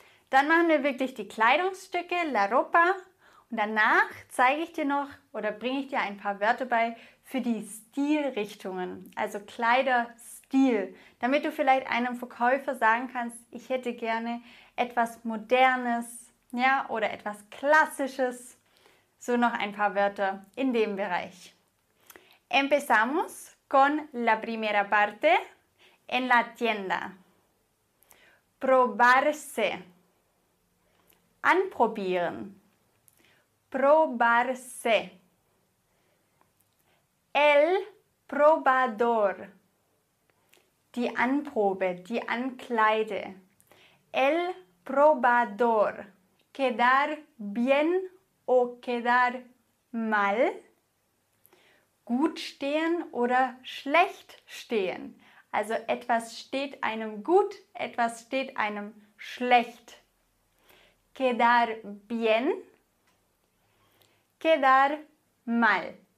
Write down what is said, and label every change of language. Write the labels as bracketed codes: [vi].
[de] Dann machen wir wirklich die Kleidungsstücke, la ropa, und danach zeige ich dir noch oder bringe ich dir ein paar Wörter bei für die Stilrichtungen, also Kleider, Stil, damit du vielleicht einem Verkäufer sagen kannst, ich hätte gerne etwas Modernes, ja, oder etwas Klassisches. So noch ein paar Wörter in dem Bereich. [es] Empezamos con la primera parte en la tienda. Probarse. [de] Anprobieren. [es] Probarse. El probador. [de] Die Anprobe, die Ankleide. [es] El probador. Quedar bien o quedar mal. [de] Gut stehen oder schlecht stehen. Also etwas steht einem gut, etwas steht einem schlecht. [es] Quedar bien. Quedar mal.